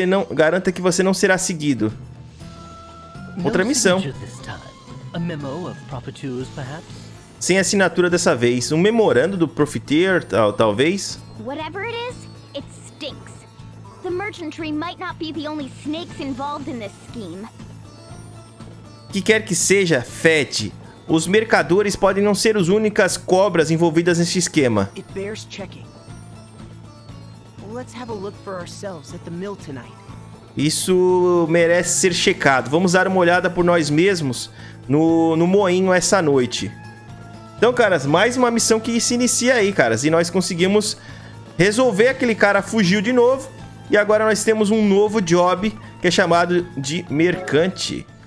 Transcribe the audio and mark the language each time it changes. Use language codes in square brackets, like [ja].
[pt] Garanta que você não será seguido. Outra missão. [en] A memo of Profiteers, perhaps? [pt] Sem assinatura dessa vez. Um memorando do Profiteer, talvez. [en] Whatever it is, it stinks. The merchantry might not be the only snakes involved in this scheme. [pt] Que quer que seja, fede. Os mercadores podem não ser as únicas cobras envolvidas neste esquema. [en] It bears checking. Well, let's have a look for ourselves at the mill tonight. [pt] Isso merece ser checado. Vamos dar uma olhada por nós mesmos no moinho essa noite. Então, caras, mais uma missão que se inicia aí, caras. E nós conseguimos resolver. Aquele cara fugiu de novo. E agora nós temos um novo job, que é chamado de mercante.